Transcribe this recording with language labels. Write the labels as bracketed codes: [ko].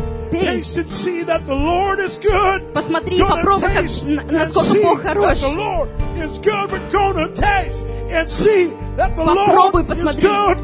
[en] Taste and see that the Lord is good. [ru] Посмотри, попробуй, насколько Бог хорош. [en] The Lord is good. We're gonna taste and see that the Lord is good.